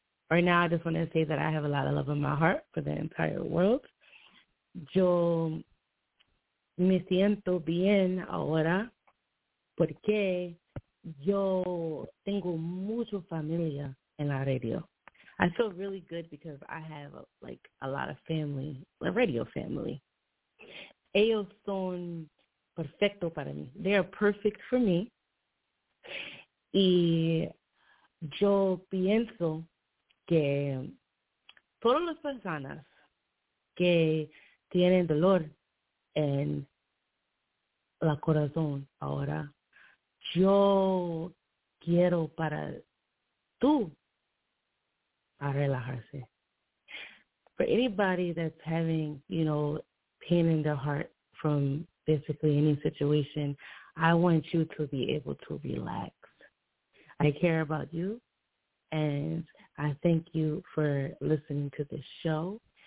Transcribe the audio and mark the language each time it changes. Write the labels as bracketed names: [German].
[English] Right now, I just want to say that I have a lot of love in my heart for the entire world. [Spanish] Yo me siento bien ahora porque yo tengo mucho familia en la radio. [English] I feel really good because I have like a lot of family, a radio family. [Spanish] Ellos son perfecto para mí. [English] They are perfect for me. [Spanish] Y yo pienso que todas las personas que tienen dolor en el corazón ahora, yo quiero para tú a relajarse. [English] For anybody that's having, you know, pain in their heart from basically any situation, I want you to be able to relax. I care about you, and I thank you for listening to this show.